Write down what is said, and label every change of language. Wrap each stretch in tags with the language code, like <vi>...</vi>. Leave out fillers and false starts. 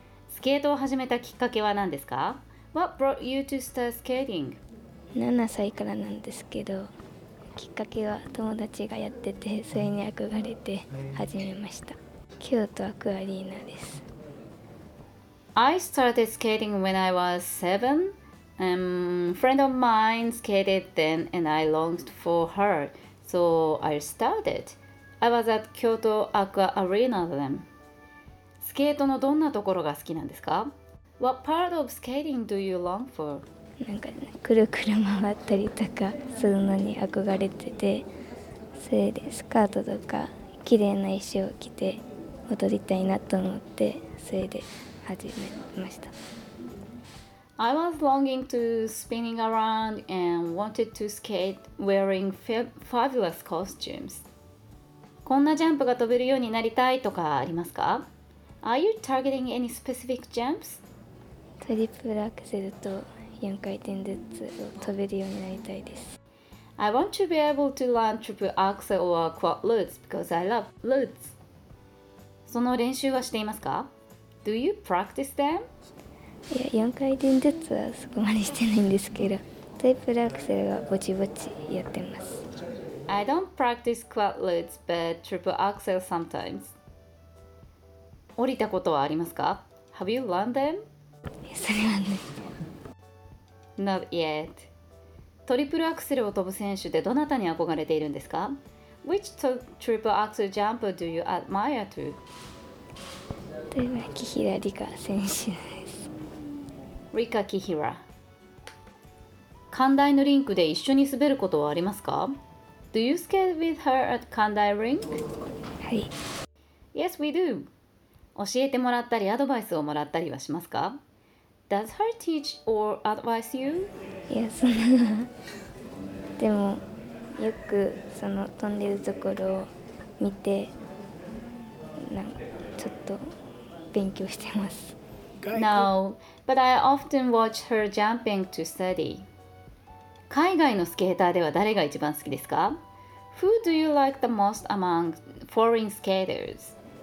<ja>スケートを始めたきっかけは何ですか？</ja> <en>What brought you to start skating?</en> <ja>7歳からなんですけど、きっかけは友達がやってて、それに憧れて始めました。京都アクアリーナです。</ja> <en>I started skating when I was 7. Friend of mine skated then and I longed for her. So I started. I was at 京都アクアアリーナ then.</en> <ja>スケートのどんなところが好きなんですか？</ja> <en>What part of skating do you long for?</en> <ja>なんか、ね、くるくる回ったりとかするのに憧れてて、それでスカートとか綺麗な衣装を着て踊りたいなと思って、それで始めました。</ja> <en>I was longing to spinning around and wanted to skate wearing fabulous costumes.</en> <ja>こんなジャンプが飛べるようになりたいとかありますか？</ja> <en>Are you targeting any specific jumps?</en> <ja>トリプルアクセルと4回転ずつを飛べるようになりたいです。</ja> <en>I want to be able to learn triple axel or quad lutz because I love lutz.</en> <ja>その練習はしていますか？</ja> <en>Do you practice them?</en> <ja>いや、4回転ずつはそこまでしてないんですけど、トリプルアクセルはぼちぼちやってます。</ja> <en>I don't practice quad lutz but triple axel sometimes.</en> <ja>降りたことはありますか？</ja> <en>Have you learned them?</en> <ja>それはね。</ja> <en>Not yet.</en> <ja>トリプルアクセルを飛ぶ選手でどなたに憧れているんですか？</ja> <en>Which triple axel jumper do you admire to?</en> <ja>例えば、キヒラリカ選手です。リカ・キヒラ。Kandai のリンクで一緒に滑ることはありますか?</ja> <en>Do you skate with her at Kandai rink?</en> <ja>はい。</ja> <en>Yes, we do.</en> <ja>教えてもらったりアドバイスをもらったりはしますか?</ja> <en>Does her teach or advise you?</en> <ja>いや、そんな。でも、よくその飛んでるところを見て、なんかちょっと勉強してます。</ja> <en>No, but I often watch her jumping to study.</en> <ja>海外のスケーターでは誰が一番好きですか?</ja> <en>Who do you like the most among foreign skaters?</en>